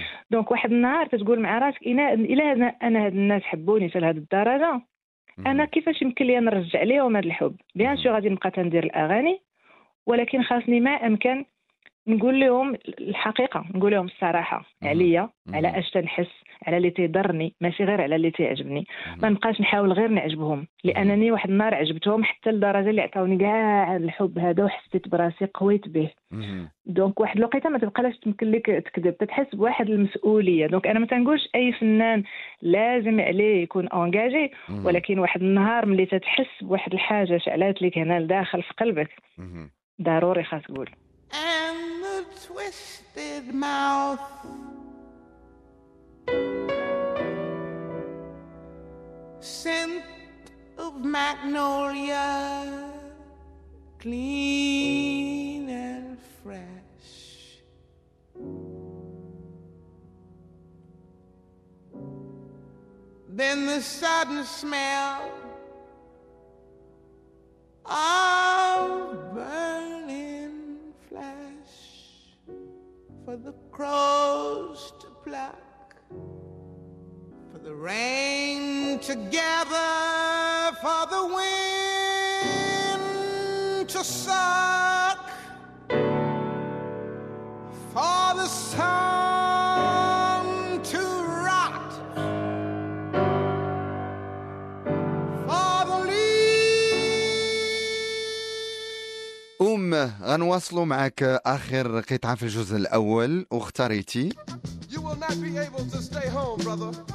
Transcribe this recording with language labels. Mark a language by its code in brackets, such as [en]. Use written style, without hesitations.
[ar] دونك واحد النهار تتقول مع راسك الى انا هاد الناس حبوني حتى لهاد الدرجه انا كيفاش يمكن لي نرجع ليهم هذا الحب [fr] بيان سور [ar] غادي نبقى تندير الاغاني ولكن خاصني ما امكن نقول لهم الحقيقه نقول لهم الصراحه عليا على اش تنحس على اللي تضرني ماشي غير على اللي تعجبني ما نبقاش نحاول غير نعجبهم لانني واحد النهار عجبتهم حتى لدرجه اللي عطاوني كاع الحب هذا وحسيت براسي قويت به دونك واحد الوقيته ما تبقاش تمكن لك تكذب تتحس بواحد المسؤوليه دونك انا ما تنقولش اي فنان لازم عليه يكون انجاجي ولكن واحد النهار ملي تتحس بواحد الحاجه شعلات لك هنا لداخل في قلبك ضروري خاص تقول [en] And the twisted mouth Scent of magnolia Clean and fresh Then the sudden smell Of burning flesh For the crows to pluck For the rain to gather, for the wind to suck, for the song to rot, for the leaves. [ar] غنواصلوا معك آخر قطعة في الجزء الأول واختاريتي. [en] You will not be able to stay home, brother.